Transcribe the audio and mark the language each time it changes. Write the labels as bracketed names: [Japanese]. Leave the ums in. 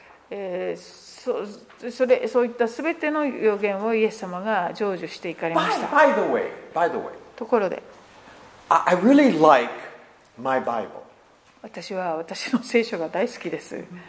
[Japanese] えー、そそれそういったすべての予言をイエス様が成就していかれました。 [English] By, by way, way, [Japanese] ところで、 [English] I really like my Bible. [Japanese] 私は私の聖書が大好きです。